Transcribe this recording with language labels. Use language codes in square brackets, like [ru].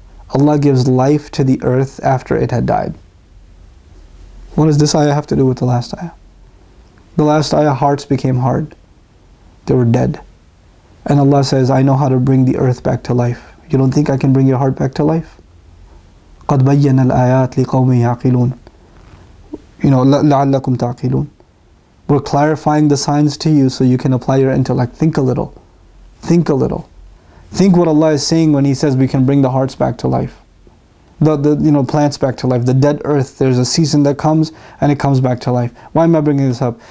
[en] Allah gives life to the earth after it had died. What does this ayah have to do with the last ayah? The last ayah, hearts became hard. They were dead. And Allah says, I know how to bring the earth back to life. You don't think I can bring your heart back to life? [ar] قَدْ بَيَّنَ الْآيَاتِ لِقَوْمِ يَعْقِلُونَ. You know, لَعَلَّكُمْ تَعْقِلُونَ. [en] We're clarifying the signs to you so you can apply your intellect. Think a little. Think a little. Think what Allah is saying when He says we can bring the hearts back to life. The plants back to life. The dead earth, there's a season that comes and it comes back to life. Why am I bringing this up?